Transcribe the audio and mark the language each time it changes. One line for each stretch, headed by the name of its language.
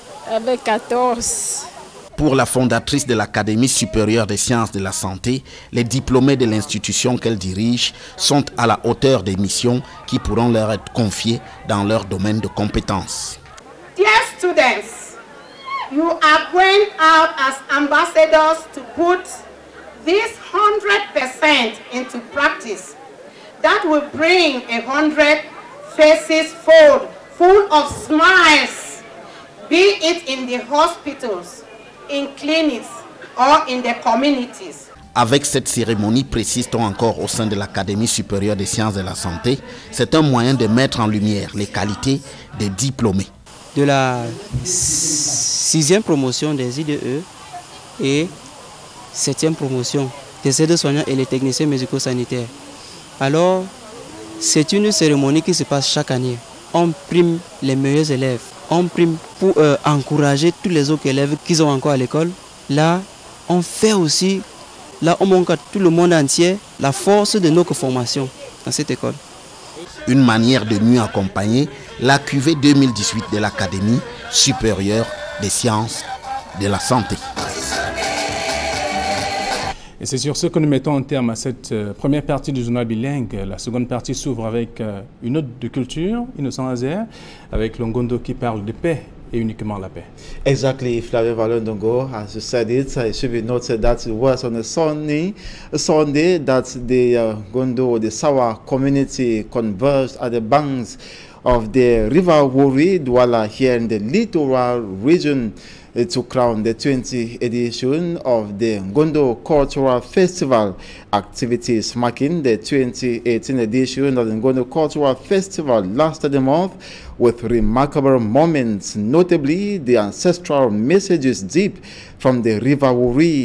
French: Avec 14. Pour la fondatrice de l'Académie supérieure des sciences de la santé, les diplômés de l'institution qu'elle dirige sont à la hauteur des missions qui pourront leur être confiées dans leur domaine de compétences.
English: Dear students, you are going out as ambassadors to put this 100% into practice. That will bring 100 faces full of smiles, be it in the hospitals, in clinics or in the communities.
French: Avec cette cérémonie, précise-t-on encore au sein de l'Académie supérieure des sciences de la santé, c'est un moyen de mettre en lumière les qualités des diplômés. De la 6e promotion des IDE et 7e promotion des aides-soignants et les techniciens médico-sanitaires. Alors, c'est une cérémonie qui se passe chaque année. On prime les meilleurs élèves. On prime pour encourager tous les autres élèves qu'ils ont encore à l'école. Là, on fait aussi, là on montre à tout le monde entier la force de notre formation dans cette école. Une manière de mieux accompagner la QV 2018 de l'Académie supérieure des sciences de la santé. Et c'est sur ce que nous mettons un terme à cette première partie du journal bilingue. La seconde partie s'ouvre avec une note de culture, Innocent Azer, avec Longondo qui parle de paix et uniquement la paix.
English: Exactly, Flavien Valendongo has said it. I should be noted that it was on a Sunday that the Gondo, the Sawa community converged at the banks of the River Wari Douala here in the littoral region to crown the 20th edition of the Gondo Cultural Festival activities, marking the 2018 edition of the Gondo Cultural Festival last of the month with remarkable moments, notably the ancestral messages deep from the River Wari.